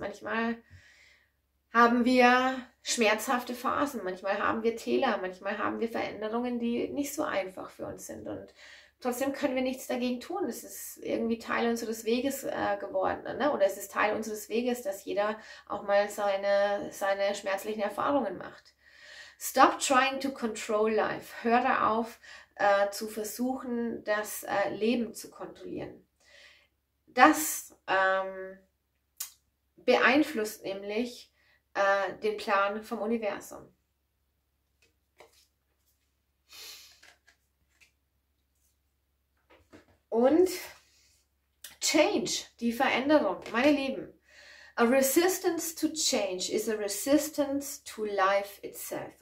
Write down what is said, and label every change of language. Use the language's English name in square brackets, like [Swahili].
[German] Manchmal haben wir schmerzhafte Phasen, manchmal haben wir Täler, manchmal haben wir Veränderungen, die nicht so einfach für uns sind. Und trotzdem können wir nichts dagegen tun. Es ist irgendwie Teil unseres Weges geworden, ne? Oder es ist Teil unseres Weges, dass jeder auch mal seine schmerzlichen Erfahrungen macht. [English] Stop trying to control life. [German] Hör auf, zu versuchen, das Leben zu kontrollieren. Das beeinflusst nämlich den Plan vom Universum. Und Change, die Veränderung, meine Lieben. [English] A resistance to change is a resistance to life itself.